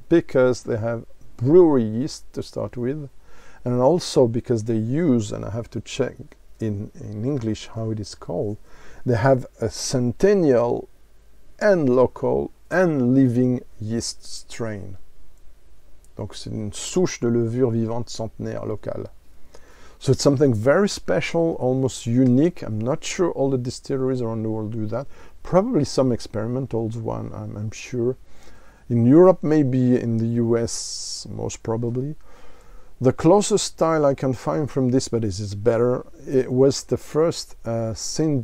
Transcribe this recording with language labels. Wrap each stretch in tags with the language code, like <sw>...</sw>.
<en>Because they have brewery yeast to start with, and also because they use, and I have to check in English how it is called, they have a centennial and local and living yeast strain.</en> <fr>Donc c'est une souche de levure vivante centenaire locale.</fr> <en>So it's something very special, almost unique. I'm not sure all the distilleries around the world do that. Probably some experimental one, I'm sure. In Europe, maybe in the US, most probably. The closest style I can find from this, but this is better, it was the first St.</en>